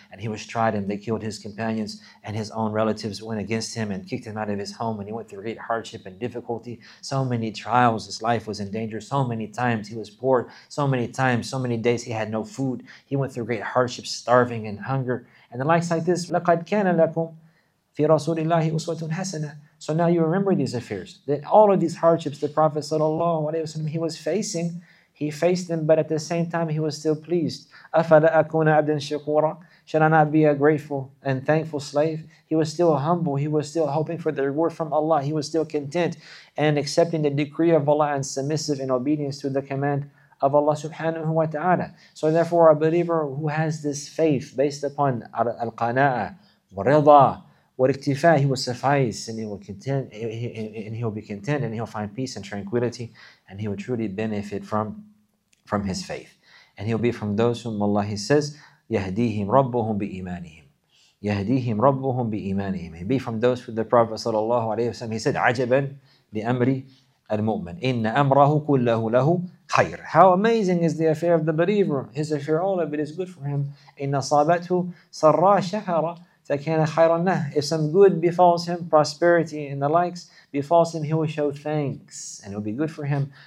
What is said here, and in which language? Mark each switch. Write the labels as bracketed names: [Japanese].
[English] And he was tried and they killed his companions and his own relatives went against him and kicked him out of his home. And he went through great hardship and difficulty. So many trials, his life was in danger. So many times he was poor. So many times, so many days he had no food. He went through great hardships, starving and hunger. And the likes like this, [Arabic] لَقَدْ كَانَ لَكُمْ فِي رَسُولِ اللَّهِ أُسْوَةٌ حَسَنَةٌ. [English] So now you remember these affairs, that all of these hardships the Prophet sallallahu alaihi wasallam he was facing, he faced them, but at the same time he was still pleased. [Arabic] أَفَلَا أَكُونَ عَبْدًا شَكُورًا. [English] Should I not be a grateful and thankful slave? He was still humble. He was still hoping for the reward from Allah. He was still content and accepting the decree of Allah and submissive in obedience to the command of Allah subhanahu wa ta'ala. So therefore a believer who has this faith based upon al-qana'ah, rida, وَالِكْتِفَاءِ, he will suffice and he will content and he will be content and he will find peace and tranquility and he will truly benefit from his faith. And he will be from those whom Allah, he says, [Arabic] يَهْدِيهِمْ رَبُّهُمْ بِإِيمَانِهِمْ. يهديهم ربهم بإيمانهم. [English] Be from those who the Prophet [Arabic] صلى الله عليه وسلم, [English] he said, [Arabic] عجبا لأمر المؤمن إن أمره كله له خير. [English] How amazing is the affair of the believer. His affair, all of it is good for him. [Arabic] إن صابته سراء شهرة فكان خيرا له. [English] If some good befalls him, prosperity and the likes befalls him, he will show thanks and it will be good for him.